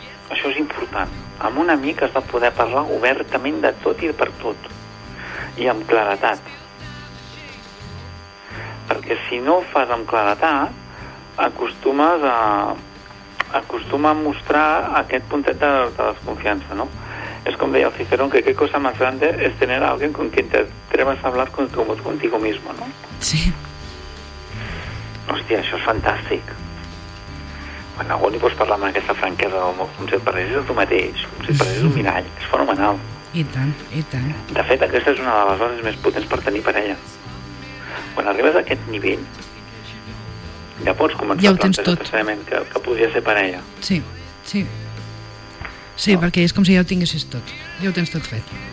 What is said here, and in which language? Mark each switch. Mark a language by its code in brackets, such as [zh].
[ca] Això és important. Amb un amic has de poder parlar obertament de tot i per tot. I amb claretat. Perquè si no ho fas amb claretat, acostumes a mostrar aquest puntet de desconfiança, no? [es] Es como decía el Cicerón, que qué cosa más grande es tener a alguien con quien te atrevas a hablar contigo mismo, ¿no? Sí. Hostia, eso es fantástico. Bueno, algo ni puedes hablar con esta franqueza, como si te pareces a tu mateix, como si te pareces un mirall. Es fenomenal. [ca] I tant, i tant. De fet, aquesta és una de les bases més potents per tenir parella. Quan arribes a aquest nivell, ja pots començar ja a plantejar seriament que podria ser parella. Sí, sí. Sí, no. Perquè és com si ja ho tinguessis tot. Ja ho tens tot fet.